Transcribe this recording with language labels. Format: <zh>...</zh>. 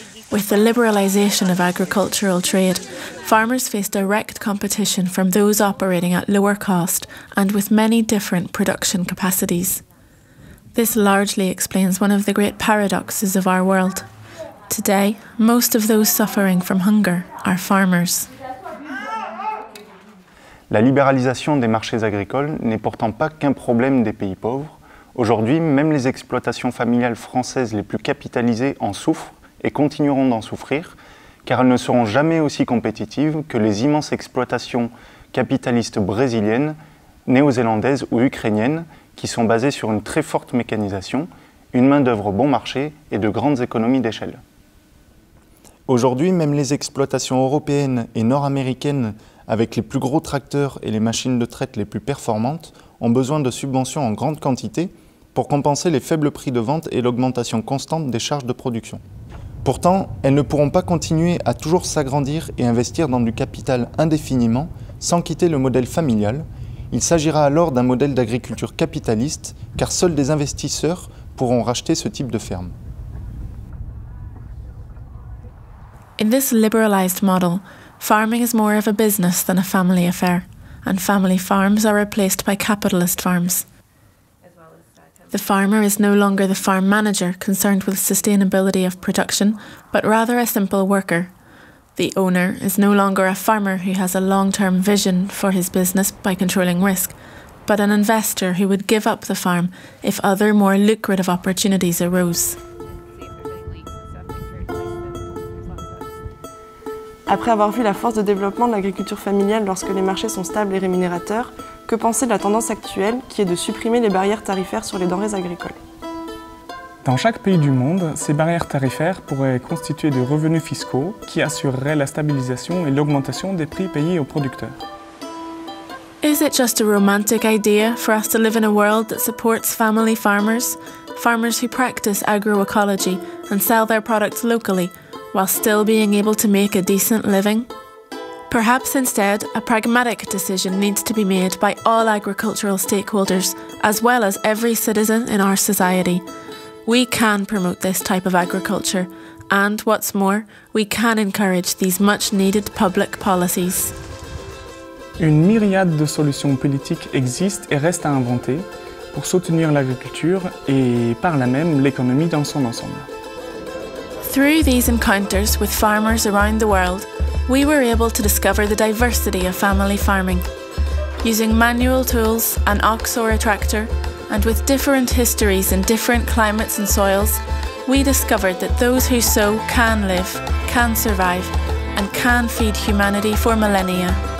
<en>With the liberalization of agricultural trade, farmers face direct competition from those operating at lower cost and with many different production capacities. This largely explains one of the great paradoxes of our world. Today, most of those suffering from hunger are farmers.</en> <fr>La libéralisation des marchés agricoles n'est pourtant pas qu'un problème des pays pauvres. Aujourd'hui, même les exploitations familiales françaises les plus capitalisées en souffrent et continueront d'en souffrir, car elles ne seront jamais aussi compétitives que les immenses exploitations capitalistes brésiliennes, néo-zélandaises ou ukrainiennes, qui sont basés sur une très forte mécanisation, une main-d'œuvre bon marché et de grandes économies d'échelle. Aujourd'hui, même les exploitations européennes et nord-américaines, avec les plus gros tracteurs et les machines de traite les plus performantes, ont besoin de subventions en grande quantité pour compenser les faibles prix de vente et l'augmentation constante des charges de production. Pourtant, elles ne pourront pas continuer à toujours s'agrandir et investir dans du capital indéfiniment sans quitter le modèle familial. Il s'agira alors d'un modèle d'agriculture capitaliste, car seuls des investisseurs pourront racheter ce type de ferme.</fr> <en>In this liberalized model, farming is more of a business than a family affair, and family farms are replaced by capitalist farms. The farmer is no longer the farm manager concerned with sustainability of production, but rather a simple worker. The owner is no longer a farmer who has a long-term vision for his business by controlling risk, but an investor who would give up the farm if other more lucrative opportunities arose.</en> <fr>Après avoir vu la force de développement de l'agriculture familiale lorsque les marchés sont stables et rémunérateurs, que penser de la tendance actuelle qui est de supprimer les barrières tarifaires sur les denrées agricoles? Dans chaque pays du monde, ces barrières tarifaires pourraient constituer des revenus fiscaux qui assureraient la stabilisation et l'augmentation des prix payés aux producteurs.</fr> <en>Is it just a romantic idea for us to live in a world that supports family farmers, farmers who practice agroecology and sell their products locally, while still being able to make a decent living? Perhaps instead, a pragmatic decision needs to be made by all agricultural stakeholders, as well as every citizen in our society. We can promote this type of agriculture, and what's more, we can encourage these much-needed public policies.</en> <fr>Une myriade de solutions politiques existent et restent à inventer pour soutenir l'agriculture et, par là même, l'économie dans son ensemble.</fr> <en>Through these encounters with farmers around the world, we were able to discover the diversity of family farming. Using manual tools, an ox or a tractor, and with different histories in different climates and soils, we discovered that those who sow can live, can survive, and can feed humanity for millennia.</en>